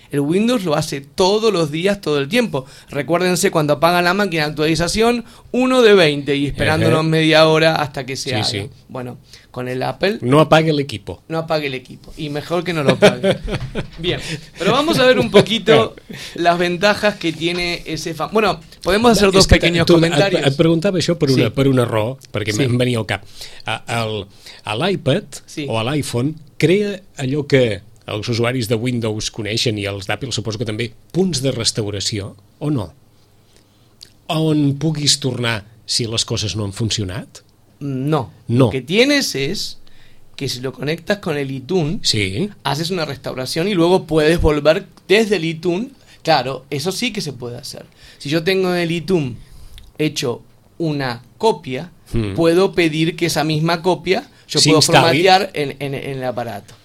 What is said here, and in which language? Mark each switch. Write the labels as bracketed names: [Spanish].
[Spanish] El Windows lo hace todos los días, todo el tiempo. Recuérdense, cuando apaga la máquina, actualización, 1 de 20, y esperándonos media hora hasta que se haga. Sí. Bueno, con el Apple... No apague el equipo. Y mejor que no lo apague. Bien, pero vamos a ver un poquito las ventajas que tiene ese... Bueno, podemos hacer dos pequeños comentarios. [Catalan] Et preguntava això per un error, perquè em venia al cap. A l'iPad o a l'iPhone crea allò que els usuaris de Windows coneixen, i els d'Apple suposo que també, punts de restauració, o no? On puguis tornar si les coses no han funcionat? [Spanish] No. Lo que tienes es que si lo conectas con el iTunes, sí, haces una restauración y luego puedes volver desde el iTunes. Claro, eso sí que se puede hacer. Si yo tengo en el iTunes hecho una copia, puedo pedir que esa misma copia yo puedo formatear en el aparato.